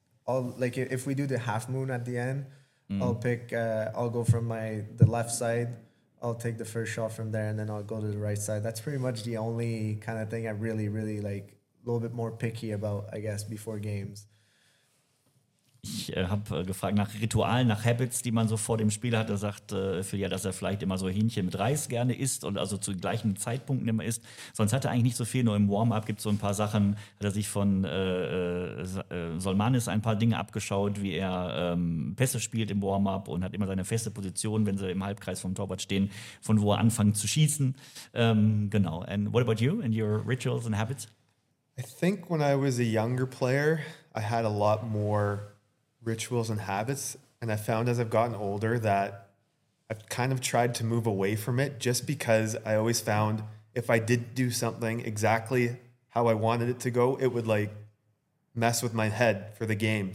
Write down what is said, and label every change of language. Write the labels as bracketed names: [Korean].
[English] If we do the half moon at the end, I'll go from the left side I'll take the first shot from there and then I'll go to the right side. That's pretty much the only kind of thing I really, really like a little bit more picky about, I guess, before games. [German] Ich habe gefragt nach Ritualen, nach Habits, die man so vor dem Spiel hat. Da sagt Phil ja, dass er vielleicht immer so Hähnchen mit Reis gerne isst und also zu gleichen Zeitpunkten immer isst. Sonst hat er eigentlich nicht so viel, nur im Warm-up gibt es so ein paar Sachen, hat er sich von Solmanis ein paar Dinge abgeschaut, wie er Pässe spielt im Warm-up und hat immer seine feste Position, wenn sie im Halbkreis vom Torwart stehen, von wo er anfängt zu schießen. Genau. [English] And what about you and your rituals and habits? I think when I was a younger player, I had a lot more rituals and habits, and I found as I've gotten older that I've kind of tried to move away from it just because I always found if I did do something exactly how I wanted it to go, it would like mess with my head for the game.